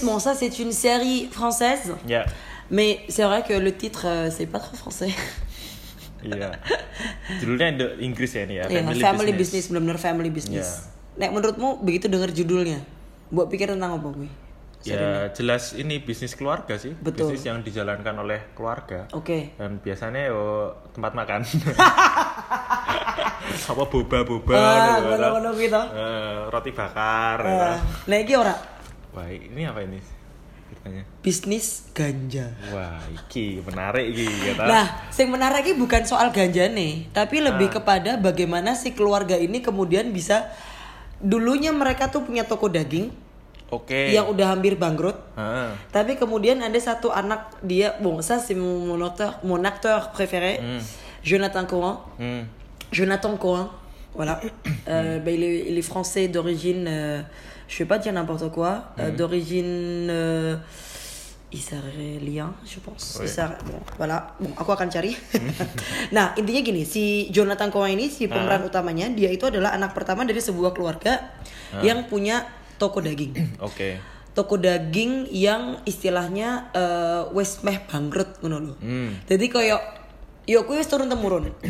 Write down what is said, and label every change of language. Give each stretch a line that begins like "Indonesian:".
French: Bon, ça c'est une série française.
Indonesian: Iya.
English: Yeah.
French: Mais c'est vrai que le titre c'est pas trop français.
Indonesian: Iya. Judulnya di Inggris ya ini ya. Family Business. Benar-benar Family Business.
English: Yeah.
Indonesian: Nek menurutmu begitu dengar judulnya, buat pikir tentang apa gue? Ya jelas ini bisnis keluarga sih. Betul. Bisnis yang dijalankan oleh keluarga. Oke. Okay. Dan biasanya yo tempat makan. Apa boba-boba gitu. Gitu. Roti bakar.
Javanese: Nah iki ora.
Indonesian: Wah, ini apa ini? Ceritanya. Bisnis ganja.
Javanese: Wah, iki menarik iki
Indonesian: gitu.
Javanese: Nah, sing menarik iki
Indonesian: bukan soal ganjane, tapi lebih kepada bagaimana si keluarga ini kemudian bisa dulunya mereka tuh punya toko daging. Oke. Yang udah hampir bangkrut. Tapi kemudian ada satu anak dia, bangsa si
French: mon acteur préféré,
Indonesian: Jonathan Cohen.
French: Voilà. il est français d'origine je sais pas dire n'importe quoi, d'origine israélien, je pense. Oui.
Indonesian: Bon, aku akan cari. Nah, intinya gini, si Jonathan Cohen ini si pemeran utamanya, dia itu adalah anak pertama dari sebuah keluarga yang punya toko daging. Oke. toko daging yang istilahnya
Javanese: wis meh bangkrut ngono lho.
Indonesian: Hmm.
Javanese: Jadi koyo yo kuwi wis turun temurun.